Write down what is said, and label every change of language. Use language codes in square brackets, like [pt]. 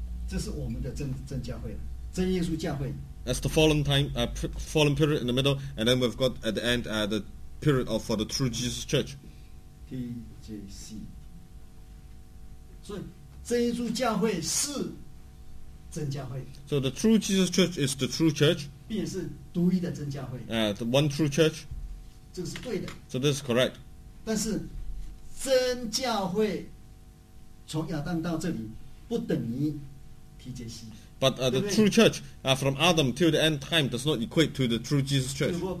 [zh] 这是我们的 真教会，真耶稣教会。 [en] That's the fallen time, fallen period in the middle, and then we've got at the end the period of for the true Jesus Church. TJC. [zh] 所以真耶稣教会是真教会。 [en] So the true Jesus Church is the true church. [zh] 并是独一的真教会。 [en] The one true church. [zh] 这是对的。 [en] So this is correct. [zh] 但是真教会从亚当到这里不等于。 [en] But the true church from Adam till the end time does not equate to the true Jesus church.